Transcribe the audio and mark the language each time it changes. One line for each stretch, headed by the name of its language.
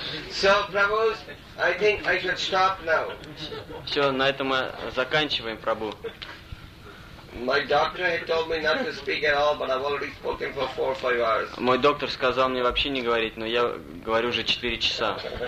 English: So, Prabhu, I think I should stop now.
Russian: Все, на этом мы заканчиваем, Прабу.
English: My doctor had told me not to speak at all, but I've already spoken for 4 or 5 hours.
Russian: Мой доктор сказал мне вообще не говорить, но я говорю уже 4 часа.